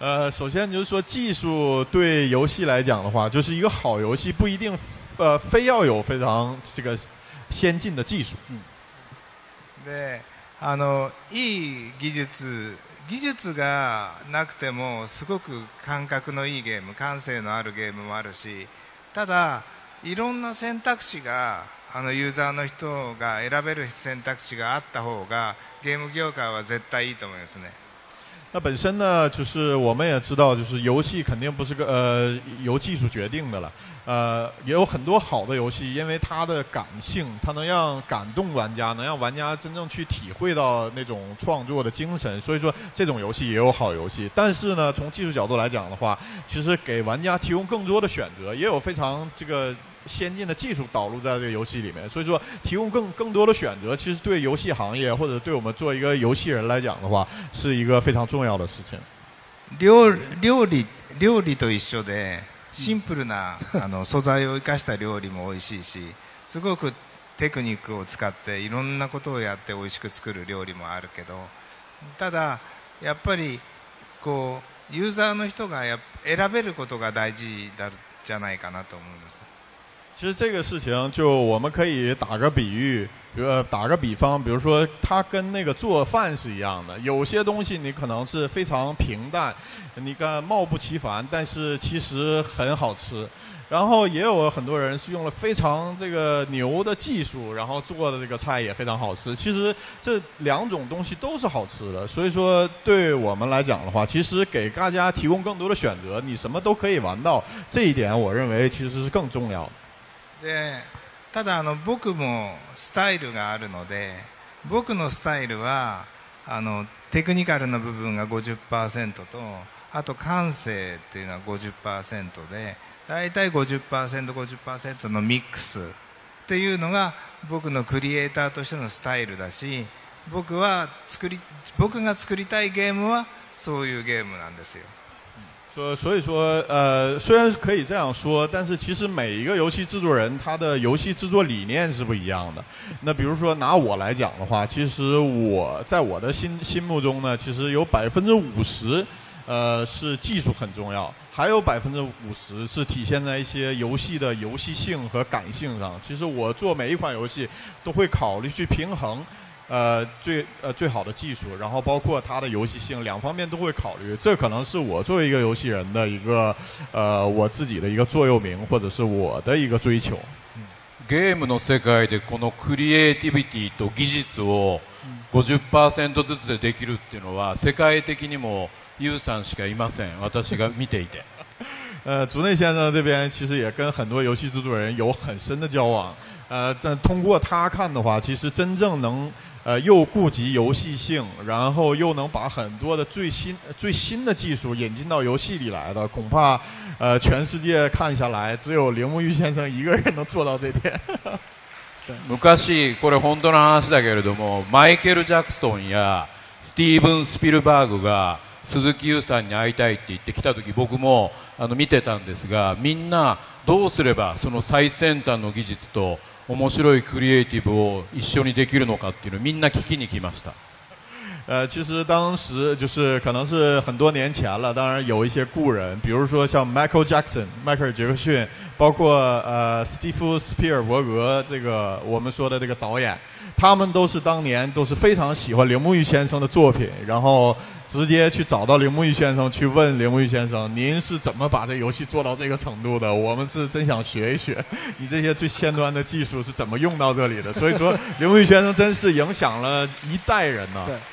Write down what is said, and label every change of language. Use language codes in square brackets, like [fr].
[zh] 首先就是说技术对游戏来讲的话，就是一个好游戏不一定非要有非常这个先进的技术。 [ja] で、いい技術がなくてもすごく感覚のいいゲーム、感性のあるゲームもあるし、ただいろんな選択肢がユーザーの人が選べる選択肢があった方がゲーム業界は絶対いいと思いますね。 [zh] 那本身呢，就是我们也知道，就是游戏肯定不是个由技术决定的了。也有很多好的游戏，因为它的感性，它能让感动玩家，能让玩家真正去体会到那种创作的精神。所以说，这种游戏也有好游戏。但是呢，从技术角度来讲的话，其实给玩家提供更多的选择，也有非常这个先进的技术导入在这个游戏里面，所以说提供更多的选择，其实对游戏行业或者对我们做一个游戏人来讲的话，是一个非常重要的事情。 [ja] 料理と一緒で、シンプルな素材を生かした料理も美味しいし、すごくテクニックを使っていろんなことをやって美味しく作る料理もあるけど、ただやっぱりこうユーザーの人が選べることが大事だじゃないかなと思います。 [zh] 其实这个事情就我们可以打个比喻，打个比方，比如说它跟那个做饭是一样的，有些东西你可能是非常平淡，你看貌不其凡，但是其实很好吃。然后也有很多人是用了非常这个牛的技术，然后做的这个菜也非常好吃。其实这两种东西都是好吃的，所以说对我们来讲的话，其实给大家提供更多的选择，你什么都可以玩到，这一点我认为其实是更重要的。 [ja] でただ僕もスタイルがあるので、僕のスタイルはテクニカルな部分が 50% と、あと感性というのは 50% で、大体 50%50% のミックスというのが僕のクリエイターとしてのスタイルだし、僕が作りたいゲームはそういうゲームなんですよ。 [zh] 所以说虽然可以这样说，但是其实每一个游戏制作人他的游戏制作理念是不一样的。那比如说拿我来讲的话，其实我在我的心目中呢，其实有50%是技术很重要，还有50%是体现在一些游戏的游戏性和感性上。其实我做每一款游戏都会考虑去平衡最好的技术，然后包括它的游戏性，两方面都会考虑。这可能是我作为一个游戏人的一个我自己的一个座右铭，或者是我的一个追求。 [ja] ゲームの世界でこのクリエイティビティと技術を 50% ずつでできるっていうのは世界的にもユウさんしかいません。私が見ていて。 [zh] 竹内先生这边其实也跟很多游戏制作人有很深的交往。但通过他看的话，其实真正能又顾及游戏性，然后又能把很多的最新的技术引进到游戏里来的，恐怕全世界看下来只有铃木玉先生一个人能做到这点。 [ja] 昔これ本当の話だけれども、マイケル・ジャクソンやスティーブン・スピルバーグが鈴木優さんに会いたいって言って来た時僕も見てたんですが、みんなどうすればその最先端の技術と面白いクリエイティブを一緒にできるのかっていうのをみんな聞きに来ました。 [zh] 其实当时就是可能是很多年前了，当然有一些故人，比如说像 Michael Jackson 迈克尔杰克逊，包括Steve Spielberg 这个我们说的这个导演，他们都是当年都是非常喜欢铃木玉先生的作品，然后直接去找到铃木玉先生去问铃木玉先生，您是怎么把这游戏做到这个程度的，我们是真想学一学你这些最先端的技术是怎么用到这里的。所以说铃木玉先生真是影响了一代人呢。